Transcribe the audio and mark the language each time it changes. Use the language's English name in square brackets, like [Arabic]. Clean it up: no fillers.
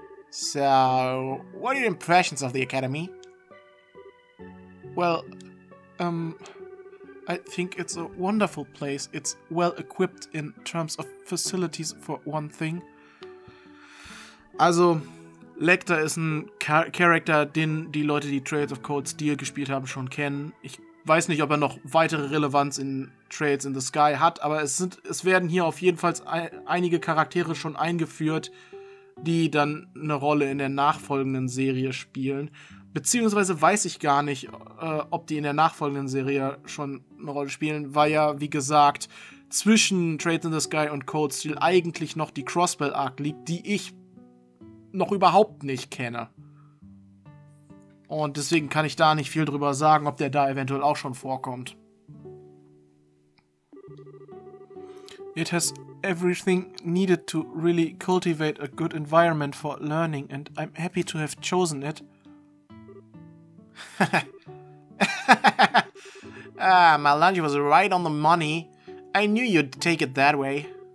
[English] So, what are your impressions of the academy? Well, I think it's a wonderful place. It's well equipped in terms of facilities for one thing. [German] Also, Lecter ist ein Charakter, den die Leute, die Trails of Cold Steel gespielt haben, schon kennen. Ich weiß nicht, ob er noch weitere Relevanz in Trails in the Sky hat, aber es werden hier auf jeden Fall einige Charaktere schon eingeführt, die dann eine Rolle in der nachfolgenden Serie spielen. Beziehungsweise weiß ich gar nicht, ob die in der nachfolgenden Serie schon eine Rolle spielen, weil ja, wie gesagt, zwischen Trails in the Sky und Cold Steel eigentlich noch die Crossbell-Arc liegt, die ich noch überhaupt nicht kenne. Und deswegen kann ich da nicht viel drüber sagen, ob der da eventuell auch schon vorkommt. [English] It has everything needed to really cultivate a good environment for learning and I'm happy to have chosen it. my lunch was right on the money. I knew you'd take it that way.